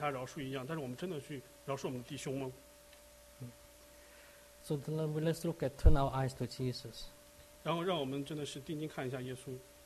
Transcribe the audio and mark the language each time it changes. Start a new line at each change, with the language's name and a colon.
Chinese: 我们需要我们去饶恕别人，因为我们就像我们被他饶恕一样。但是我们真的去饶恕我们的弟兄吗？
English: So let's look at turn our eyes to Jesus.
Chinese: 然后让我们真的是定睛看一下耶稣。